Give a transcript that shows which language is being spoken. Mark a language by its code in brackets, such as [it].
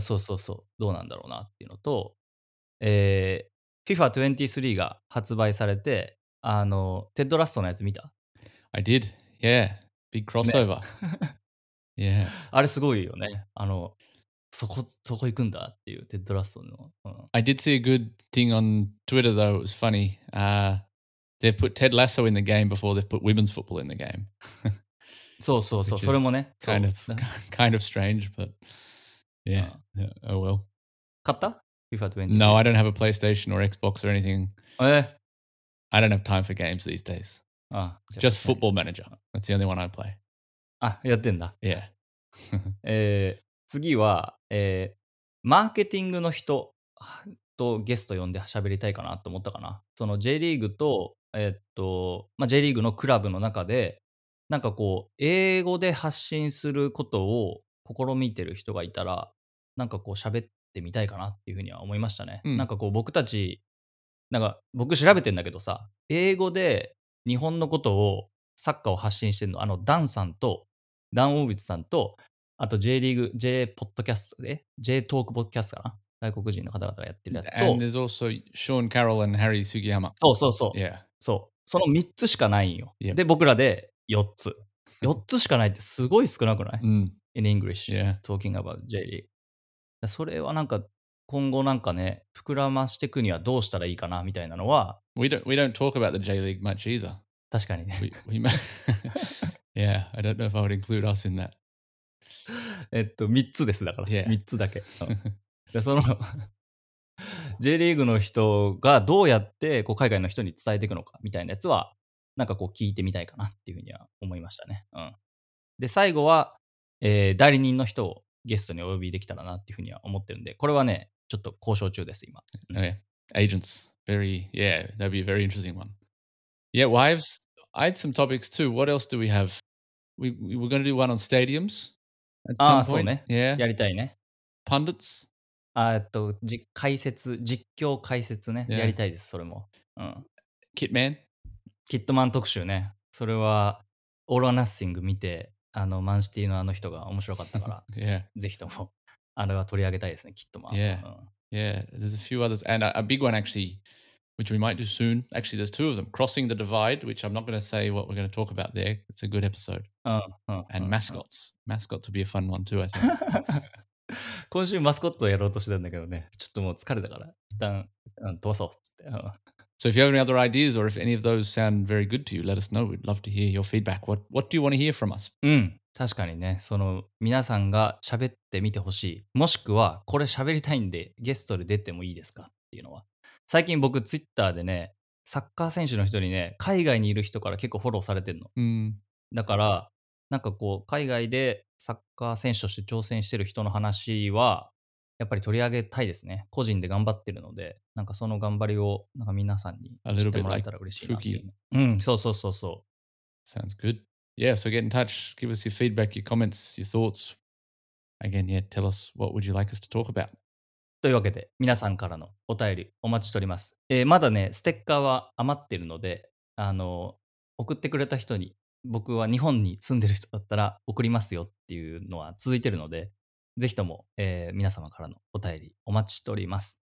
[ja] そうそうそう、どうなんだろうなっていうのと、FIFA 23が発売されて、あの、テッドラストのやつ見た？ [en] I did, yeah. Big crossover.、ね、yeah. [ja] あれすごいよね。あの、そこ行くんだっていう、テッドラストの、うん。 [en] I did see a good thing on Twitter though, it was funny.、They've put Ted Lasso in the game before they've put women's football in the game. [ja] そうそうそう、それもね。 [en] Kind of strange, but yeah, yeah, oh well. [ja] 買った FIFA 23? [en] No, I don't have a PlayStation or Xbox or anything. I don't have time for games these days. Just Football Manager. That's the only one I play. [ja] あ、やってんだ。 [en] Yeah. [ja] 次は、マーケティングの人とゲスト呼んで喋りたいかなと思ったかな。その J リーグと、まあ、J リーグのクラブの中で、なんかこう、英語で発信することを試みてる人がいたら、なんかこう、喋ってみたいかなっていうふうには思いましたね。うん、なんかこう、僕たち、なんか僕調べてんだけどさ、英語で日本のことを、サッカーを発信してるの、あの、ダンさんと、ダン・オービッツさんと、あと J リーグ、J ポッドキャスト、え ?J トークポッドキャストかな、外国人の方々がやってるやつと。 [en] And there's also Sean Carroll and Harry Sugiyama. [ja] そうそうそう。 [en] Yeah. [ja] そう。その3つしかないんよ。 [en] Yep. [ja] で、僕らで4つ。 4つしかないってすごい少なくない、 mm. [en] In English,、 yeah. talking about J リーグ。 [ja] それはなんか、今後なんかね、膨らましていくにはどうしたらいいかな、みたいなのは。 [en] We don't talk about the J League much either. [ja] 確かにね。 [en] Yeah, I don't know if I would include us in that. [ja] 3つですだから、 [en] yeah. [ja] 3つだけ。でそのJ リーグの人がどうやってこう海外の人に伝えていくのかみたいなやつはなんかこう聞いてみたいかなっていうふうには思いましたね。うん、で最後は、代理人の人をゲストにお呼びできたらなっていうふうには思ってるんで、これはねちょっと交渉中です今。 [en] Okay. Agents, very, yeah, that'd be a very interesting one. Yeah, wives, I had some topics too. What else do we have? We're going to do one on stadiums. [ja] ああそうね。 [en] Yeah. [ja] やりたいね。 [en] Pundits? [ja] 解説、実況解説ね、yeah. やりたいです、それも。キットマン？キットマン特集ね。それは、オールオアナッシング見て、あの、マンシティのあの人が面白かったから、 [en] yeah. [ja] ぜひとも、あれは取り上げたいですね、キットマン。 [en] Yeah,、うん、yeah. there's a few others, and a big one actually, which we might do soon. Actually, there's two of them. Crossing the Divide, which I'm not going to say what we're going to talk about there. It's a good episode. And mascots. Mascots will be a fun one too, I think. [ja] 今週マスコットをやろうとしてたんだけどね、ちょっともう疲れたから一旦、うん、飛ばそうっつって。 [en] So if you have any other ideas or if any of those sound very good to you, let us know. We'd love to hear your feedback. What do you want to hear from us? [ja] うん、確かにね、その皆さんが喋ってみてほしい、もしくはこれ喋りたいんでゲストで出てもいいですかっていうのは、最近僕ツイッターでね、サッカー選手の人にね、海外にいる人から結構フォローされてるの。うん。だから。なんかこう海外でサッカー選手として挑戦してる人の話はやっぱり取り上げたいですね。個人で頑張ってるので、なんかその頑張りをなんか皆さんに知ってもらえたら嬉しいなっていう。そうそうそうそう。 [en] Sounds good. Yeah, so get in touch. Give us your feedback, your comments, your thoughts. Again, yeah, tell us what would you like us to talk about. [ja] というわけで皆さんからのお便りお待ちしております。まだねステッカーは余ってるので、あの送ってくれた人に僕は日本に住んでる人だったら送りますよっていうのは続いてるので、ぜひとも、皆様からのお便りお待ちしております。